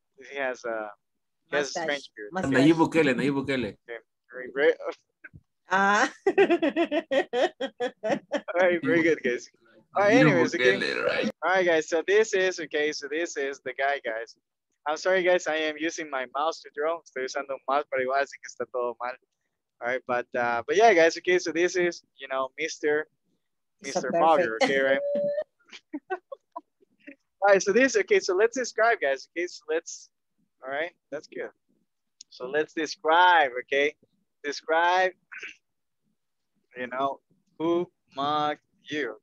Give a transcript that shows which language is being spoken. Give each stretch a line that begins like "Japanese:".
English: He has a strange beard. Nayib Bukele. Okay, great. All right, very good, guys. All right, anyways, okay. All right, guys, so this is the guy, guys. I'm sorry, guys, I am using my mouse to draw.
Spanish: Estoy usando un mouse, pero igual así que está todo mal.
English: All right, but yeah, guys, okay, so this is, you know, Mr. Mugger, okay, right? All right, so let's describe, guys, okay, so let's, all right, that's good. So let's describe, okay? Describe, you know, who mugged you.